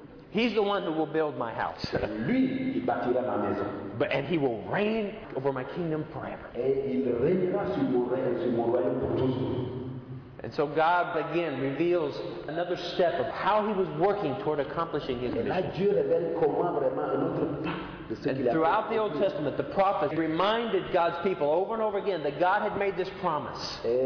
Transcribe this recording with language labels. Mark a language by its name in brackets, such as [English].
[English] He's the one who will build my house. [French] Lui, il bâtira ma maison. [English] But, and he will reign over my kingdom forever. [French] Et il régnera sur mon royaume pour toujours. [English] And so God again reveals another step of how he was working toward accomplishing his mission. [French] Et là, Dieu révèle comment vraiment un autre pas. [English] And throughout the Old Testament, the prophets reminded God's people over and over again that God had made this promise.